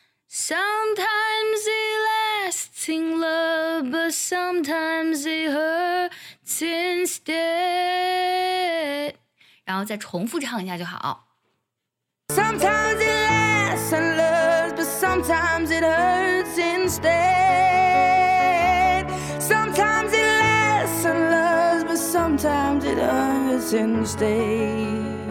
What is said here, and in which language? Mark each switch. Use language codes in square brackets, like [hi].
[en] Sometimes it lasts in love, but sometimes it hurts instead. [zh] 然后再重复唱一下就好。 [en] Sometimes it lasts in love, but sometimes it hurts instead. Sometimes it lasts in love, but sometimes it hurts instead.